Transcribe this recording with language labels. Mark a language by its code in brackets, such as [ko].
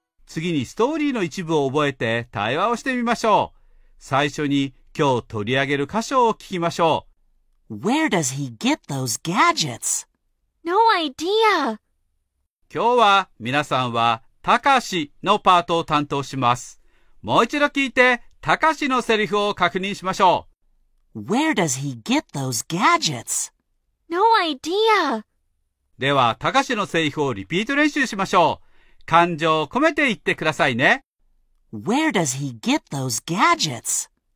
[ja] 次にストーリーの一部を覚えて対話をしてみましょう。最初に今日取り上げる箇所を聞きましょう。 [en] Where does he get those gadgets? No idea. [ja] 今日は皆さんはたかしのパートを担当します。もう一度聞いてたかしのセリフを確認しましょう。 [en] Where does he get those gadgets? No idea. [ja] では、たかしのセリフをリピート練習しましょう。感情を込めて言ってくださいね。 [en] Where does he get those gadgets?